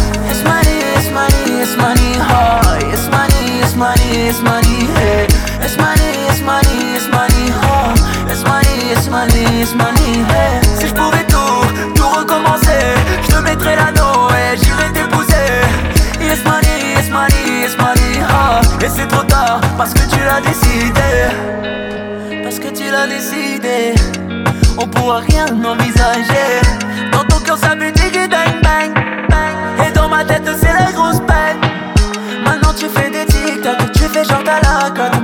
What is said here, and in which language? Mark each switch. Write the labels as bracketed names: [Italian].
[English] It's money, it's money, it's money, hi. It's money, it's money, it's money, hey. It's money, it's money, it's money, hi. It's money, it's money, it's money, hey. [French] Si je pouvais tout recommencer, je te mettrais l'anneau et j'irais t'épouser. [English] It's money, it's money, it's money, hi. [French] Et c'est trop tard parce que tu l'as décidé. Parce que tu l'as décidé. On pourra rien envisager. Dans ton cœur ça veut dire bang bang bang. Et dans ma tête c'est la grosse peine. Maintenant tu fais des tic-tac, tu fais genre t'as la cote.